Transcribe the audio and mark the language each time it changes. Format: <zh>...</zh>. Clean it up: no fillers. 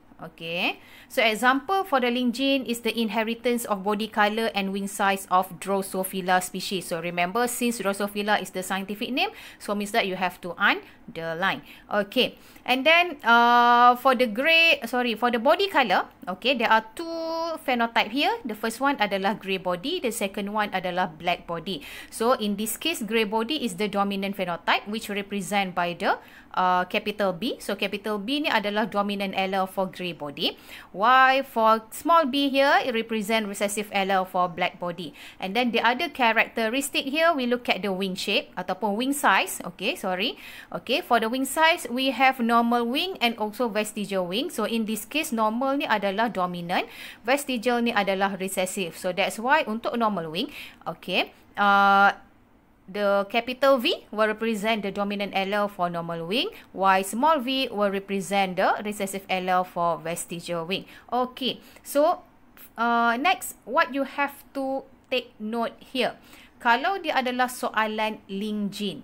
<en>Okay, so example for the link gene is the inheritance of body color and wing size of Drosophila species. So remember, since Drosophila is the scientific name, so means that you have to underline. Okay, and then for the body color, okay, there are two phenotype here. The first one</en> <ms>adalah</ms> <en>grey body, the second one adalah black body. So in this case, grey body is the dominant phenotype, which represent by the capital B. So capital B</en> <ms>ni adalah</ms> <en>dominant allele for grey body, why for small b here it represent recessive allele for black body. And then the other characteristic here, we look at the wing shape</en> <ms>ataupun</ms> <en>wing size. Okay, sorry, okay, for the wing size, we have normal wing and also vestigial wing. So in this case, normal</en> <ms>ni adalah</ms> <en>dominant, vestigial ni adalah recessive. So that's why</en> <ms>untuk</ms> <en>normal wing, okay, the capital V will represent the dominant allele for normal wing, while small v will represent the recessive allele for vestigial wing. Okay, so Next, what you have to take note here.</en> <ms>Kalau dia adalah soalan link gene.</ms>